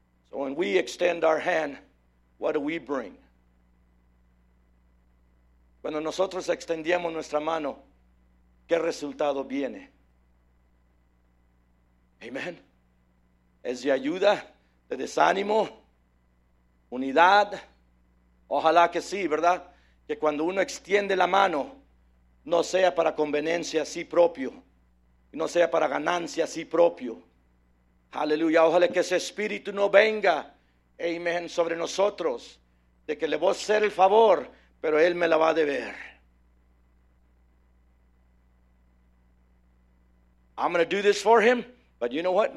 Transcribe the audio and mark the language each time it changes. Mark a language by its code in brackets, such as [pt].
[en] So when we extend our hand, what do we bring? [es] Cuando nosotros extendemos nuestra mano, ¿qué resultado viene? Amen. ¿Es de ayuda? ¿De desánimo? ¿Unidad? Ojalá que sí, ¿verdad? Que cuando uno extiende la mano, no sea para conveniencia a sí propio, no sea para ganancia a sí propio. Aleluya, ojalá que ese espíritu no venga, amén, sobre nosotros, de que le voy a hacer el favor, pero él me la va a deber. [en] I'm going to do this for him, but you know what?